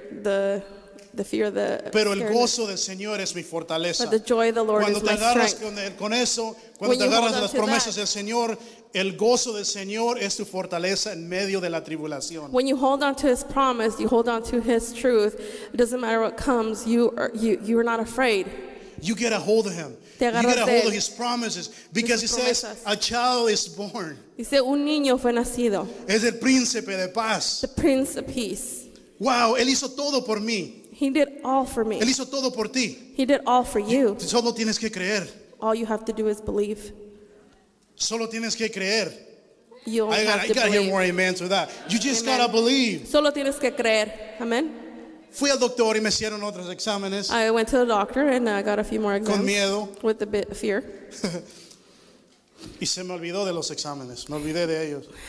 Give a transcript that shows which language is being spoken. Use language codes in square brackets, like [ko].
[es] Pero el gozo del Señor es mi fortaleza. [en] But the joy of the Lord [es] cuando [en] is [es] te agarras [en] my strength. [es] Con eso, cuando [en] when [es] te agarras las promesas [en] that, [es] del Señor, el gozo del Señor es tu fortaleza en medio de la tribulación. [en] When you hold on to His promise, you hold on to His truth. It doesn't matter what comes. You are not afraid. You get a hold of Him. [es] Te [en] you get a hold of His [es] él. [en] Promises because He says a child is born. [es] Dice un niño fue nacido. Es el príncipe de paz. [en] The Prince of Peace. [es] Wow, él hizo todo por mí. [en] He did all for me. [es] Él hizo todo por ti. [en] He did all for you. [es] Solo tienes que creer. [en] All you have to do is believe. [es] Solo tienes que creer. [en] You only have to believe. I gotta hear more amens with that. You just Amen. Gotta believe. [es] Solo tienes que creer. Amen. Fui al doctor y me hicieron otros exámenes. [en] I went to the doctor and I got a few more exams. [es] Con miedo. [en] With a bit of fear. [es] Y se me olvidó de los exámenes. Me olvidé de ellos.